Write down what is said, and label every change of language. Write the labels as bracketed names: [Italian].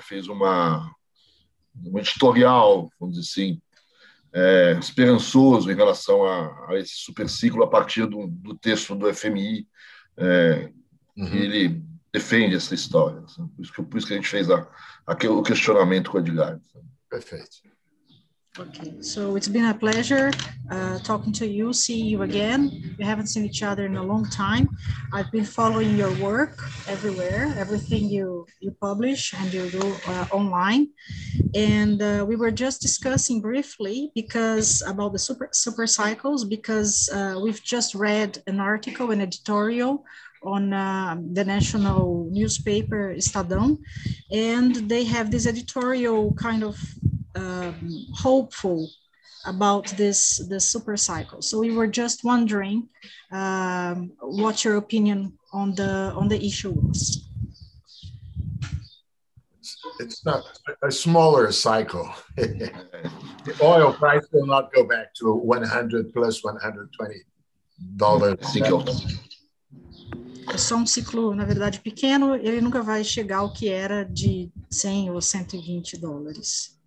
[Portuguese] Fez um editorial, vamos dizer assim, esperançoso em relação a esse superciclo a partir do texto do FMI, que ele defende essa história. Sabe? Por isso que a gente fez o questionamento com a Edgar. Perfeito. [English] Okay, so it's been a pleasure talking to you, see you again. We haven't seen each other in a long time. I've been following your work everywhere, everything you publish and you do online. And we were just discussing briefly because about the super cycles, because we've just read an article, an editorial on the national newspaper Estadão, and they have this editorial kind of hopeful about this super cycle. So we were just wondering what your opinion on the issue was. It's not a smaller cycle. The oil price will not go back to 100 plus $120. [Portuguese] É só um ciclo, na verdade, pequeno. Ele nunca vai chegar ao que era de 100 ou $120.